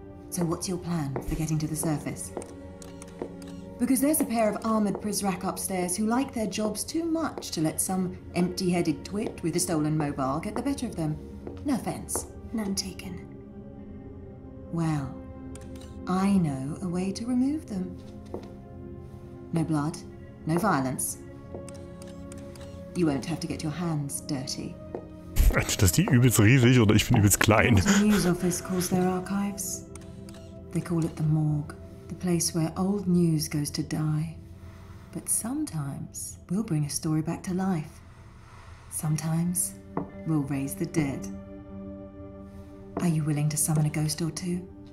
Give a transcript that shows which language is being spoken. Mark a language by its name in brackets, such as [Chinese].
[English] So what's your plan for getting to the surface? Because there's a pair of armored Prizrak upstairs who like their jobs too much to let some empty-headed twit with a stolen mobile get the better of them. No offense. None taken. Well, I know a way to remove them. No blood, no violence. You won't have to get your hands dirty. [German] Entweder ist die übelst riesig oder ich bin übelst klein. [English] The news office calls their archives. They call it the morgue. The place where old news goes to die. But sometimes we'll bring a story back to life. Sometimes we'll raise the dead. Are you willing to summon a ghost or two?